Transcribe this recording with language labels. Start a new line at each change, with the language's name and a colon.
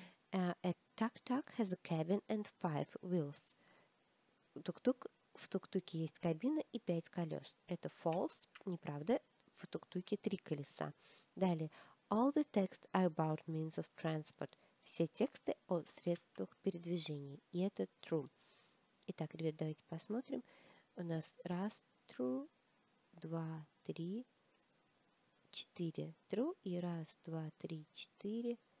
English: A tuk-tuk has a cabin and five wheels.
Russian: В тук-туке есть кабина и пять колес. Это false, неправда. В тук-туке три колеса. Далее.
English: All the texts are about means of transport.
Russian: Все тексты о средствах передвижения. И это true. Итак, ребят, давайте посмотрим. У нас раз true, два три, четыре true. И раз, два, три, четыре.